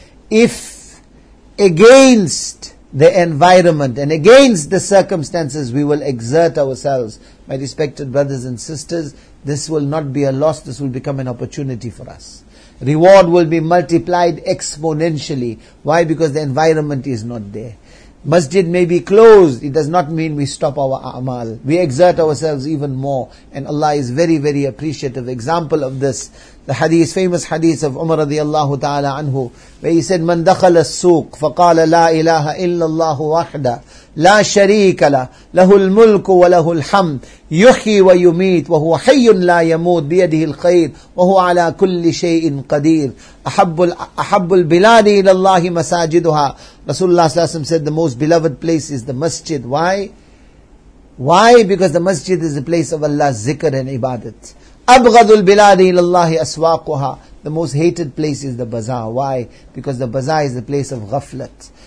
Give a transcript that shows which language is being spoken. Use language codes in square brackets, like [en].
[en] If against the environment and against the circumstances we will exert ourselves, my respected brothers and sisters, this will not be a loss, this will become an opportunity for us. Reward will be multiplied exponentially. Why? Because the environment is not there. Masjid may be closed, it does not mean we stop our a'mal. We exert ourselves even more, and Allah is very, very appreciative. [ar] Example of this, the hadith, famous hadith of Umar radiallahu ta'ala anhu, where he said, مَنْ دَخَلَ السُّوقِ فَقَالَ لَا إِلَهَ إِلَّا اللَّهُ وَحْدَ لَا شَرِيكَ لَهُ الْمُلْكُ وَلَهُ الْحَمْدِ يُحْيِي وَيُمِيتُ وَهُوَ حَيٌّ لَا يَمُوتُ بِيَدِهِ الْخَيْرِ وَهُوَ عَلَى كُلِّ شَيْءٍ قَدِيرٌ أَحَبُّ الْبِلَادِ إِلَى اللَّهِ مَسَاجِدُهَا. [en] Rasulullah صلى الله عليه وسلم said, the most beloved place is the masjid. Why? Because the masjid is the place of Allah's zikr and ibadat. [ar] أَبْغَضُ الْبِلَادِ إِلَى اللَّهِ أَسْوَاقُهَا. [en] The most hated place is the bazaar. Why? Because the bazaar is the place of ghaflat.